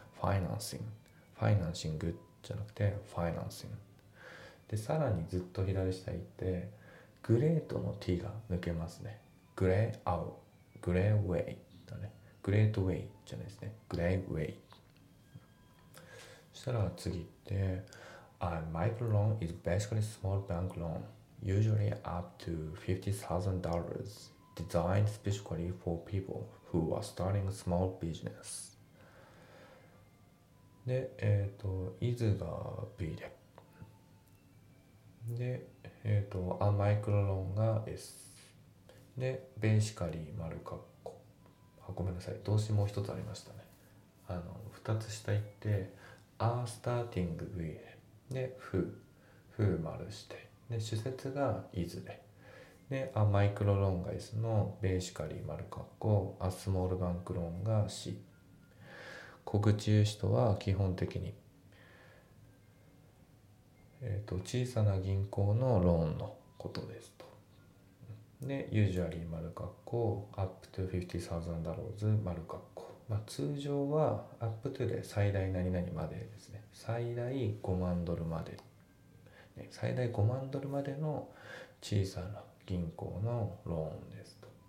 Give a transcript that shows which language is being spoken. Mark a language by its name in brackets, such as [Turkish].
[Japanese] ファイナンシング、ファイナンシングじゃなくてファイナンシング。でさらにずっと左下行ってグレートの T が抜けますね。グレーアウ、グレーウェイだね。グレートウェイじゃないですね、グレーウェイ。そしたら次行って [English] A micro loan is basically small bank loan usually up to $50,000 designed specifically for people who are starting a small business [Japanese] で、is が V で、で、a micro loan が S で、basically 丸括弧、あ、ごめんなさい、動詞もう一つありましたね。あの、二つ下行って、a starting V で、で、who、who 丸して、で、主節が is で、で、a micro loan が S の basically 丸括弧、a small bank loan が C。小口融資とは基本的に、小さな銀行のローンのことですと。で、usually 丸括弧、up to $50,000 丸括弧。まあ、通常はアップトゥで最大何々までですね、最大5万ドルまで、ね、最大5万ドルまでの小さな銀行のローンですと。